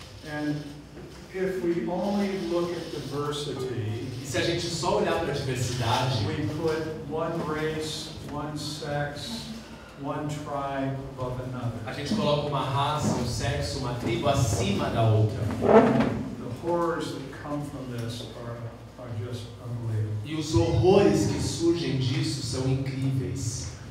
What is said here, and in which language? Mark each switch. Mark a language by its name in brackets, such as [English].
[English] And if we only look at diversity, [Portuguese] e se a gente só olhar para a diversidade, [English] we put one race, one sex, one tribe above another. [Portuguese] A gente coloca uma raça, um sexo, uma tribo acima da outra. [English] The horrors that come from this are just unbelievable. [Portuguese] E os horrores que surgem disso são incríveis.